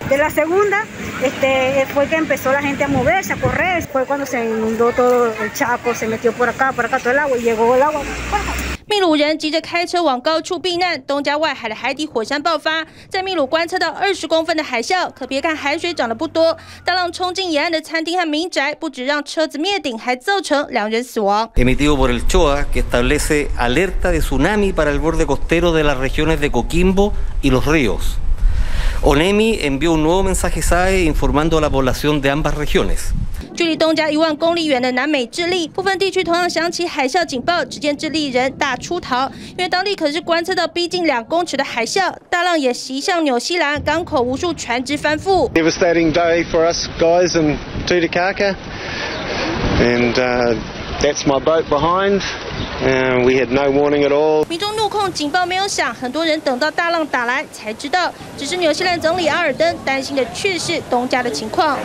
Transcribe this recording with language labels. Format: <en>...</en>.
<es>De la segunda, fue que empezó la gente a moverse, a correr. Fue cuando se inundó todo el chaco, se metió por acá todo el agua y llegó el agua.</es> <zh>秘鲁人急着开车往高处避难，东加外海的海底火山爆发，在秘鲁观测到20公分的海啸。可别看海水涨得不多，大浪冲进沿岸的餐厅和民宅，不止让车子灭顶，还造成2人死亡。</zh> <es>Emitido por el CHOA que establece alerta de tsunami para el borde costero de las regiones de Coquimbo y los ríos. ONEMI envió un nuevo mensaje SAE informando a la población de ambas regiones.</es> <zh>距离东加10000公里远的南美智利部分地区同样响起海啸警报，只见智利人大出逃，因为当地可是观测到逼近2公尺的海啸，大浪也袭向纽西兰，港口无数船只翻覆。</zh> <en>Devastating day for us guys in Tutukaka, and that's my boat behind, and we had no warning at all.</en> <zh>民众怒控警报没有响，很多人等到大浪打来才知道。只是纽西兰总理阿尔登担心的却是东加的情况。</zh>